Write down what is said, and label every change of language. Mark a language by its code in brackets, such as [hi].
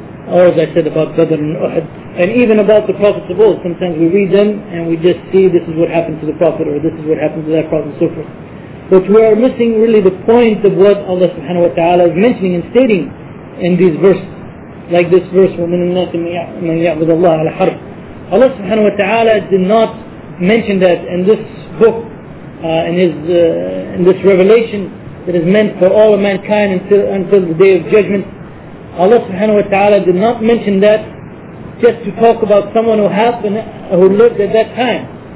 [en] Or as I said about Badr and Uhud, and even about the prophets of old, sometimes we read them and we just see this is what happened to the prophet, or this is what happened to that prophet, and so forth. But we are missing really the point of what Allah subhanahu wa ta'ala is mentioning and stating in these verses. Like this verse, [ar] وَمِنَ النَّاسِ مَنْ يَعْبُدَ اللَّهَ عَلَى حَرْفٍ. [en] Allah subhanahu wa ta'ala did not mention that in this book, in this revelation that is meant for all of mankind until the day of judgment. Allah subhanahu wa ta'ala did not mention that just to talk about someone who lived at that time.